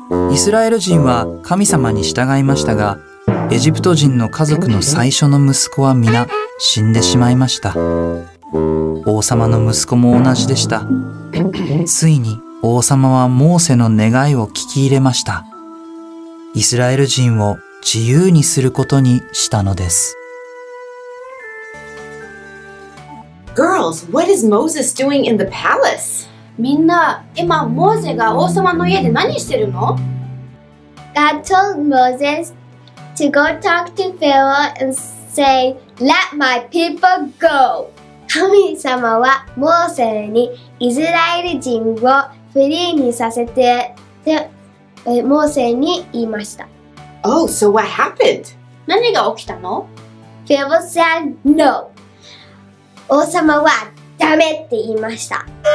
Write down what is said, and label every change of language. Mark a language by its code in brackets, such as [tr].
[ja] イスラエル人は神様に従いましたが、エジプト人の家族の最初の息子は皆死んでしまいました。王様の息子も同じでした。ついに王様はモーセの願いを聞き入れました。イスラエル人を自由にすることにしたのです。 [en] Girls, what is Moses doing in the palace? [ja] みんな、今モーセが王様の家で何してるの？ [en] God told Moses to go talk to Pharaoh and say, let my people go. [ja] 神様はモーセにイスラエル人をフリーにさせて、モーセに言いました。 [en] Oh, so what happened? [ja] 何が起きたの？ [en] Pharaoh said no. [ja] 王様はダメって言いました。